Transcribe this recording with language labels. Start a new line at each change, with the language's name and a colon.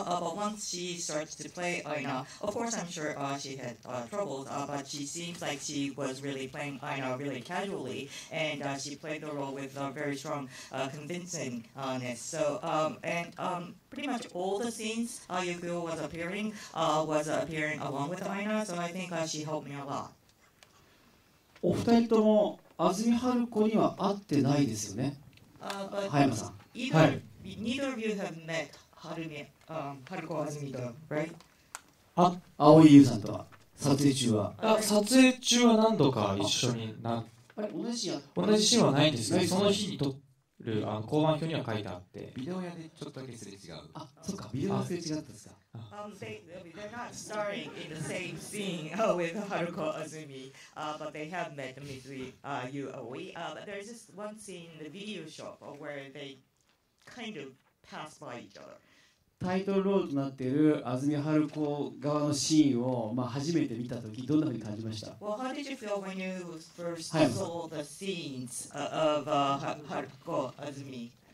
English: But once she starts to play Aina, of course, I'm sure she had troubles, but she seems like she was really playing Aina really casually, and she played the role with a very strong convincingness. So, pretty much all the scenes Yuko was appearing along with Aina, so I think she helped me a lot.
Japanese: お二人とも安住春子には会ってないですよね。葉山さん。
English: はい。Neither of you have met 春子安住と、right?
Japanese: あ、青井優さんとは撮影中は。あ、撮影中は何度か一緒に同じシーンはないんですね。その日に交番表には書いてあって、ビデオ屋でちょっとだけすれ違う。あ、そっか、ビデオ屋ですれ違ったんですか。
English: They're not starring in the same scene with Haruko Azumi, but they have met Mitsui Yu Aoi. But there's just one scene in the video shop where they kind of pass by each other.
Japanese: タイトルロールとなっている安住春子側のシーンを、初めて見たとき、どんなふうに感じました？
English: Well, how did you feel when you first saw the scenes of Haruko Azumi?